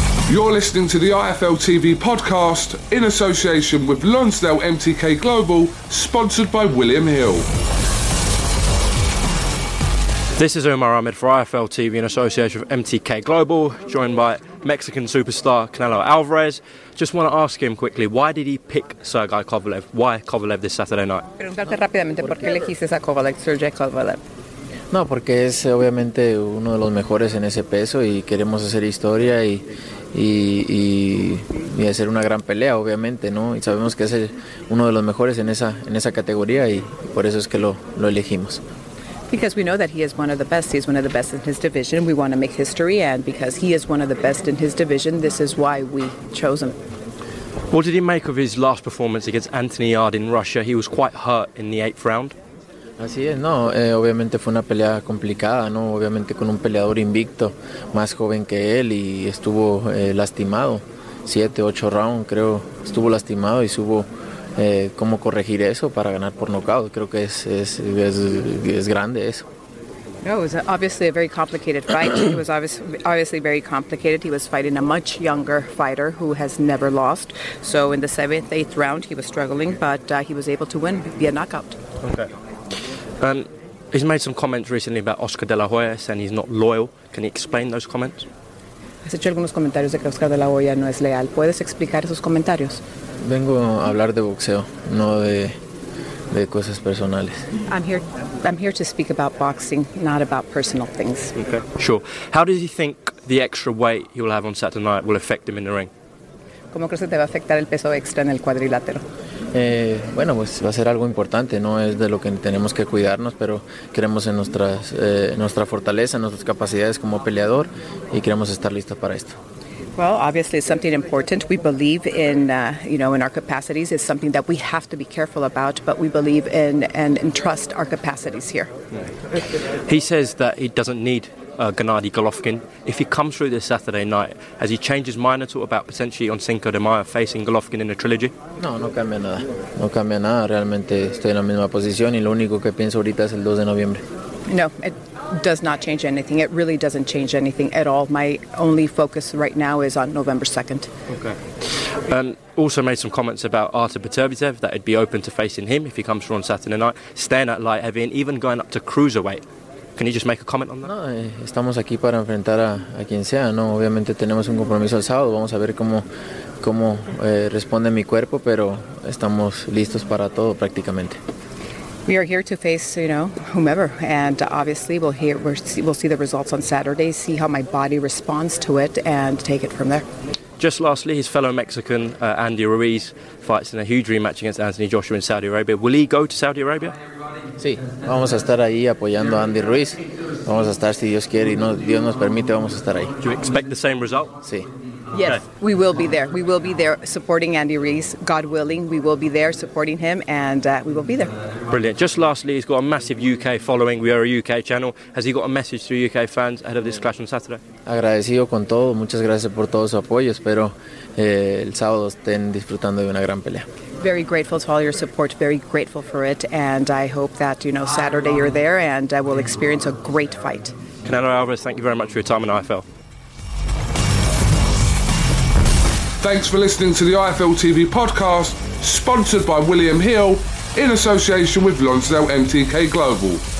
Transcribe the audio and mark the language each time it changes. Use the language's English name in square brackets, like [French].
[English] You're listening to the IFL TV podcast in association with Lonsdale MTK Global, sponsored by William Hill. This is Umar Ahmed for IFL TV in association with MTK Global, joined by Mexican superstar Canelo Alvarez. Just want to ask him quickly, why did he pick Sergei Kovalev? Why Kovalev this Saturday night? [Spanish] Preguntarte rápidamente, ¿por qué elegiste a Kovalev, Sergei Kovalev? No, porque es obviamente uno de los mejores en ese peso y queremos hacer historia y hacer una gran pelea, obviamente, ¿no? Y sabemos que es uno de los mejores en esa categoría y por eso es que lo elegimos. [English] Because we know that he is one of the best. He is one of the best in his division. We want to make history, and because he is one of the best in his division, this is why we chose him. What did he make of his last performance against Anthony Yard in Russia? He was quite hurt in the eighth round. [Spanish] Así es, no, obviamente fue una pelea complicada, ¿no? Obviamente con un peleador invicto, más joven que él, y estuvo lastimado, 7, 8 rounds, creo, estuvo lastimado y supo cómo corregir eso para ganar por nocaut. Creo que es grande eso. [English] No, it was obviously a very complicated fight. It was obviously very complicated. He was fighting a much younger fighter who has never lost. So in the 7th, 8th round, he was struggling, but he was able to win via knockout. Okay. He's made some comments recently about Oscar De La Hoya, saying he's not loyal. Can you explain those comments? [Spanish] Has hecho algunos comentarios de que Oscar De La Hoya no es leal. ¿Puedes explicar esos comentarios? Vengo a hablar de boxeo, no de cosas personales. [English] I'm here to speak about boxing, not about personal things. Okay, sure. How does he think the extra weight he will have on Saturday night will affect him in the ring? [Spanish] ¿Cómo crees que te va a afectar el peso extra en el cuadrilátero? Bueno, pues va a ser algo importante, ¿no? Es de lo que tenemos que cuidarnos, pero creemos en nuestra fortaleza, en nuestras capacidades como peleador y queremos estar listos para esto. [English] Well, obviously it's something important. We believe in our capacities. It's something that we have to be careful about, but we believe in and trust our capacities here. He says that he doesn't need Gennady Golovkin. If he comes through this Saturday night, has he changed his mind at all about potentially on Cinco de Mayo facing Golovkin in a trilogy? [Spanish] No cambia nada. No cambia nada. Realmente estoy en la misma posición y lo único que pienso ahorita es el 2 de noviembre. [English] No, it does not change anything. It really doesn't change anything at all. My only focus right now is on November 2nd. Okay. Also made some comments about Artur Beterbiev, that he'd be open to facing him if he comes through on Saturday night, staying at light heavy and even going up to cruiserweight. Can you just make a comment on that? [Spanish] No, estamos aquí para enfrentar a quien sea, ¿no? Obviamente tenemos un compromiso el sábado, vamos a ver cómo responde mi cuerpo, pero estamos listos para todo prácticamente. [English] We are here to face, whomever, and obviously we'll see the results on Saturday, see how my body responds to it and take it from there. Just lastly, his fellow Mexican, Andy Ruiz, fights in a huge rematch against Anthony Joshua in Saudi Arabia. Will he go to Saudi Arabia? [Spanish] Sí, vamos a estar ahí apoyando a Andy Ruiz. Vamos a estar, si Dios quiere y Dios nos permite, vamos a estar ahí. [English] Do you expect the same result? [Spanish] Sí. [English] Yes, okay. We will be there. We will be there supporting Andy Ruiz. God willing, we will be there supporting him, and we will be there. Brilliant. Just lastly, he's got a massive UK following. We are a UK channel. Has he got a message to UK fans ahead of this clash on Saturday? [Spanish] Agradecido con todo. Muchas gracias por todo su apoyo. Espero el sábado estén disfrutando de una gran pelea. [English] Very grateful to all your support. Very grateful for it. And I hope that, Saturday you're there and I will experience a great fight. Canelo Alvarez, thank you very much for your time on IFL. Thanks for listening to the IFL TV podcast, sponsored by William Hill, in association with Lonsdale MTK Global.